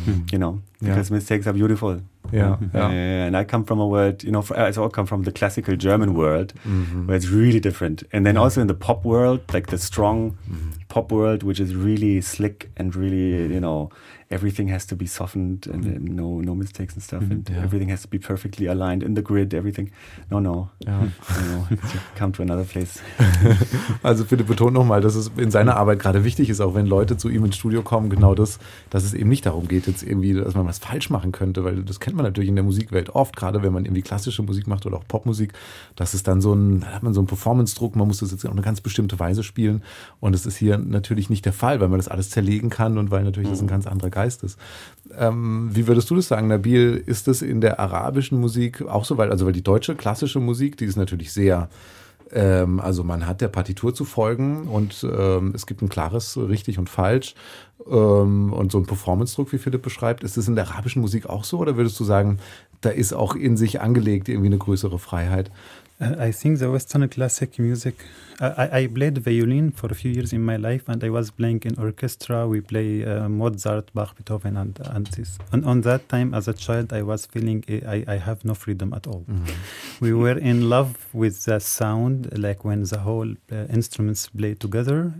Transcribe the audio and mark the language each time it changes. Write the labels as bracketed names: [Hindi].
[English] You know, because mistakes are beautiful. And I come from a world, you know, I all come from the classical German world, where it's really different. And then also in the pop world, like the strong pop world, which is really slick and really, you know, everything has to be softened and no mistakes and stuff. Everything has to be perfectly aligned in the grid, everything. You know, come to another place. [German] Also Philipp betont nochmal, dass es in seiner Arbeit gerade wichtig ist, auch wenn Leute zu ihm ins Studio kommen, genau das, dass es eben nicht darum geht, jetzt irgendwie, dass man was falsch machen könnte, weil das kennt man natürlich in der Musikwelt oft, gerade wenn man irgendwie klassische Musik macht oder auch Popmusik, dass es dann so ein, da hat man so einen Performance-Druck, man muss das jetzt auf eine ganz bestimmte Weise spielen und es ist hier natürlich nicht der Fall, weil man das alles zerlegen kann und weil natürlich das ein ganz anderer Geist ist. Wie würdest du das sagen, Nabil, ist das in der arabischen Musik auch so, weil die deutsche klassische Musik, die ist natürlich sehr, also man hat der Partitur zu folgen und es gibt ein klares richtig und falsch und so ein Performance-Druck, wie Philipp beschreibt, ist das in der arabischen Musik auch so oder würdest du sagen, da ist auch in sich angelegt irgendwie eine größere Freiheit? [English] I think the Western classic music, I played violin for a few years in my life and I was playing in orchestra. We play Mozart, Bach, Beethoven and this. And on that time as a child, I was feeling I have no freedom at all. We were in love with the sound, like when the whole instruments play together.